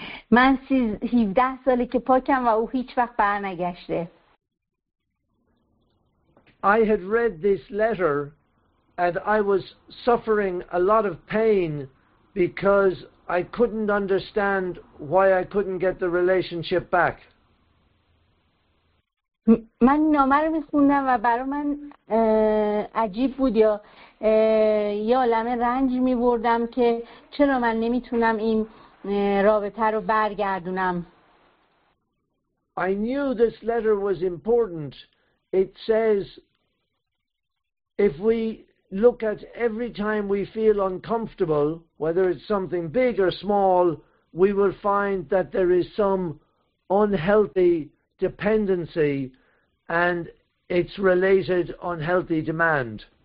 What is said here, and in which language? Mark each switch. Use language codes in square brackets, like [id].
[fa] من 17 ساله که پاکم و او هیچ وقت برنگشته. [en] I had read this letter and I was suffering a lot of pain because I couldn't understand why I couldn't get the relationship back. [fa] من نامه رو میخوندم و برای من عجیب بود یا عالمه رنج میبردم که چرا من نمیتونم این رابطه رو برگردونم. [en] I knew this letter was important. It says if we look at every time we feel uncomfortable, whether it's something big or small, we will find that there is some unhealthy dependency and its related unhealthy demand.